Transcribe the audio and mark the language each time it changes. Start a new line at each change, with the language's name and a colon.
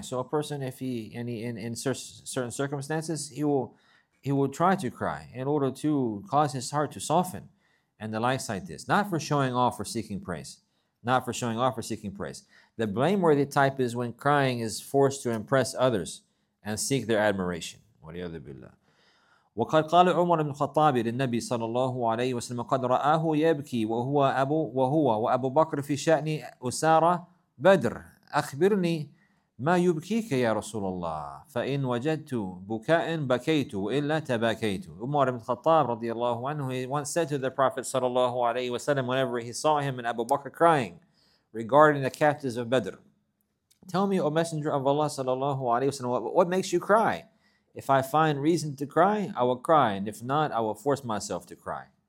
English: So a person, if he in certain circumstances, he will try to cry in order to cause his heart to soften, and the likes like this, not for showing off or seeking praise. The blameworthy type is when crying is forced to impress others and seek their admiration.
Arabic: وَلِيَذَ بِاللَّهِ وَقَدْ قَالَ عُمَرُ بْنُ الْخَطَّابِ لِلنَّبِي صَلَى اللَّهُ عَلَيْهِ وَسَلَّمَ قَدْ رَآهُ يَبْكِي وَهُوَ أَبُو بَكْرٍ فِي شَأْنِ أُسَارَى بَدْرٍ أخبرني ما يبكيك يا رسول الله فإن وجدت بكاء بكيت وإلا تباكيت.
English: Umar ibn Khattab radiallahu anhu, he once said to the Prophet sallallahu alayhi wa sallam, whenever he saw him and Abu Bakr crying regarding the captives of Badr, "Tell me, O Messenger of Allah sallallahu alayhi wa sallam, what makes you cry? If I find reason to cry, I will cry, and if not, I will force myself to cry.